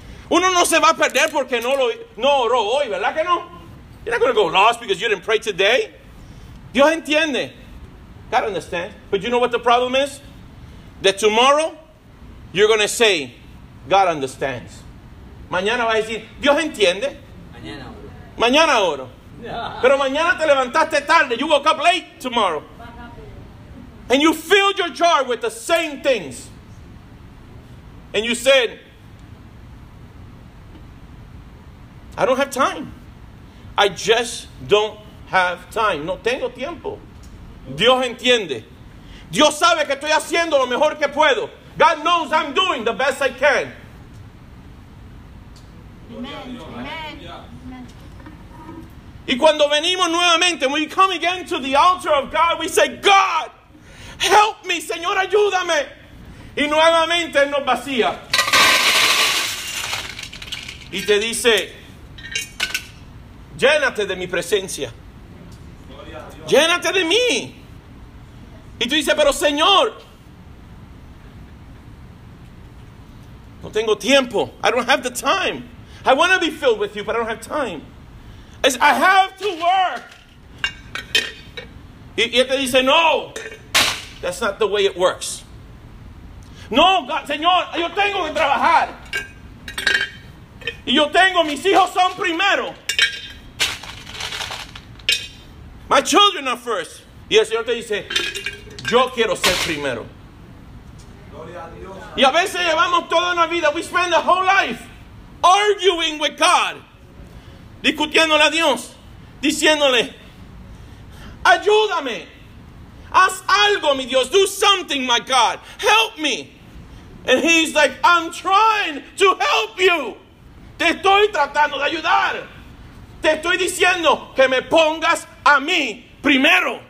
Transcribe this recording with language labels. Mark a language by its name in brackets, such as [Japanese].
[Spanish] Uno no se va a perder porque no oró hoy, ¿verdad que no? [English] You're not going to go lost because you didn't pray today. [Spanish] Dios entiende. [English] God understands. But you know what the problem is? That tomorrow, you're going to say, God understands. [Spanish] Mañana vas a decir, Dios entiende. Mañana oro. [English] Yeah. [Spanish] Pero mañana te levantaste tarde. [English] You woke up late tomorrow. And you filled your jar with the same things. And you said, I don't have time. I just don't have time. [Spanish] No tengo tiempo. Dios entiende. Dios sabe que estoy haciendo lo mejor que puedo. [English] God knows I'm doing the best I can. Amen. [Spanish] Y cuando venimos nuevamente, [English] when we come again to the altar of God, we say, God, help me, [Spanish] Señor, ayúdame. Y nuevamente Él nos vacía. Y te dice, llénate de mi presencia. Llénate de mí. Y tú dices, pero Señor, no tengo tiempo. [English] I don't have the time. I want to be filled with you, but I don't have time. It's, I have to work. [Spanish] Y Él te dice, no. [English] That's not the way it works. No, God, [Spanish] Señor, yo tengo que trabajar. Y yo tengo, mis hijos son primero. [English] My children are first. [Spanish] Y el Señor te dice, yo quiero ser primero. Gloria a Dios. Y a veces llevamos toda una vida, [English] we spend a whole life arguing with God. [Spanish] Discutiéndole a Dios. Diciéndole, ayúdame. Haz algo, mi Dios. [English] Do something, my God. Help me. And he's like, I'm trying to help you. [Spanish] Te estoy tratando de ayudar. Te estoy diciendo que me pongas a mí primero.